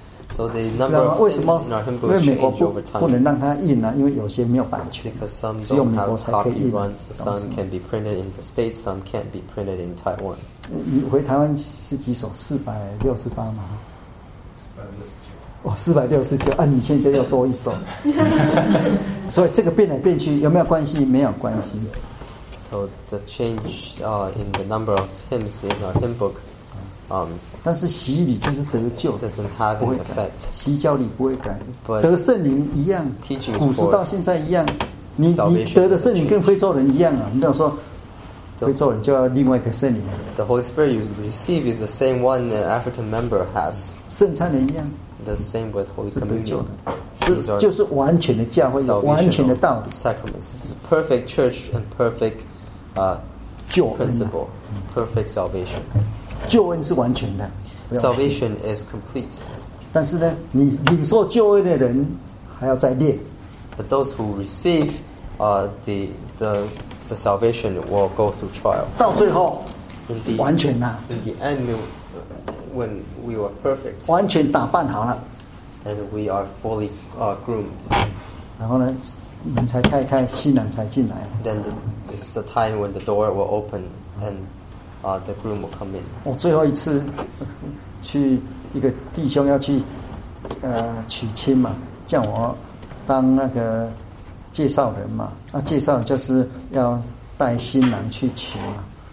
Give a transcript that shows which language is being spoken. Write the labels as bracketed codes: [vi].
[en] So the number of hymns in our hymn book changed over time. [zh] 不能让它印啊，因为有些没有版权。 [en] Because some [zh] don't 只有美国才可以印。 [en] Some can be printed in the States, some can't be printed in Taiwan. [zh] 你回台湾是几首？468嘛。哦，469啊！你现在又多一首，所以这个变来变去有没有关系？没有关系。 [en] So the change in the number of hymns in our hymn book, [zh] 但是洗礼就是得救 [en] ，doesn't have an effect. [zh] 洗教礼不会改，得圣灵一样，古时到现在一样。你得的圣灵跟非洲人一样啊！你不要说非洲人就要另外一个圣灵。 [en] The Holy Spirit you receive is the same one an African member has. [zh] 圣餐人一样。 [en] The same with Holy Communion. [zh] 就是完全的教会，完全的道理。 [en] Sacraments. This is perfect church and perfect, principle, perfect salvation. [zh] 救恩是完全的。 [en] Salvation is complete. [zh] 但是呢，你领受救恩的人还要再练。 [en] But those who receive, the salvation will go through trial. [zh] 到最后， [en] Indeed, [zh] 完全呐。 [en] In the end, when we were perfect, [zh] 完全打扮好了 [en] and we are fully groomed, [zh] 然后呢，门才开开，新郎才进来。 [en] Then it's the time when the door will open and the groom will come in. [zh] 我最后一次去一个弟兄要去娶亲嘛，叫我当那个介绍人嘛。那介绍就是要带新郎去娶嘛。